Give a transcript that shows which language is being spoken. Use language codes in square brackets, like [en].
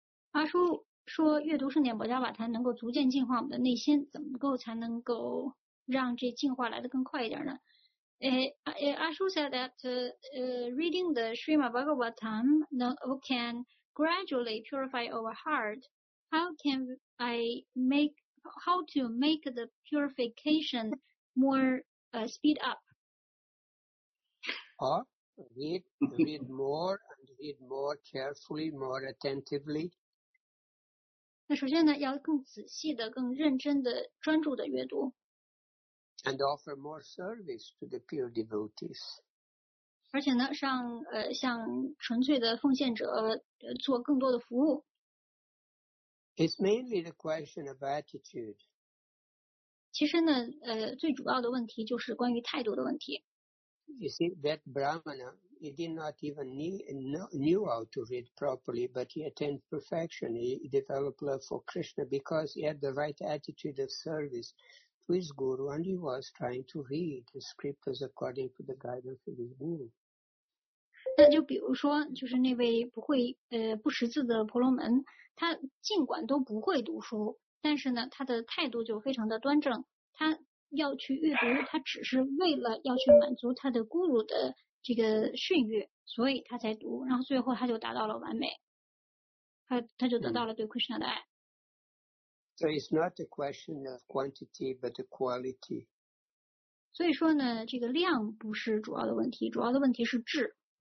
[zh] 阿叔说阅读圣典宝加瓦坛能够逐渐净化我们的内心，怎么够才能够让这净化来得更快一点呢？ [en] 阿叔 said that reading the Srimad Bhagavatam can gradually purify our heart, how can I make, how to make the purification more speed up? Read more and read more carefully, more attentively. [zh] 那首先呢，要更仔细的、更认真的、专注的阅读。 [en] And offer more service to the pure devotees. [zh] 而且呢，让向纯粹的奉献者做更多的服务。 [en] It's mainly the question of attitude. [zh] 其实呢，最主要的问题就是关于态度的问题。 [en] You see, that Brahmana, he did not even knew how to read properly, but he attained perfection. He developed love for Krishna because he had the right attitude of service to his guru, and he was trying to read the scriptures according to the guidance of his guru. [zh] 那就比如说，就是那位不会不识字的婆罗门，他尽管都不会读书，但是呢，他的态度就非常的端正，他。要去阅读，他只是为了要去满足他的孤独的这个训育，所以他才读，然后最后他就达到了完美，他就得到了对 Krishna 的爱。 [en] So it's not a question of quantity, but the quality. [zh] 所以说呢，这个量不是主要的问题，主要的问题是质。